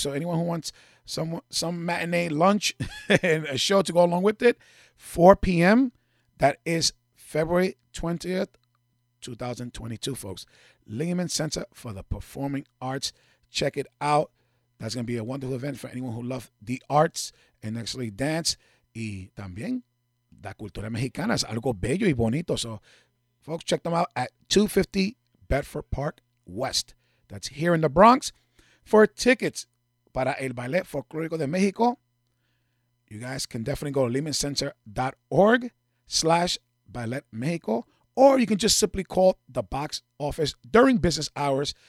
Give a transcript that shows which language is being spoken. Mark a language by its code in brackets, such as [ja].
[en] So anyone who wants some matinee lunch and a show to go along with it, 4 p.m., that is February 20th, 2022, folks. Lehman Center for the Performing Arts. Check it out. That's going to be a wonderful event for anyone who loves the arts and actually dance. [es] Y también la cultura mexicana es algo bello y bonito. [en] So folks, check them out at 250 Bedford Park West. That's here in the Bronx. For tickets, [es] para el Ballet Folclórico de México. [en] You guys can definitely go to lehmancenter.org/BalletMexico, or you can just simply call the box office during business hours.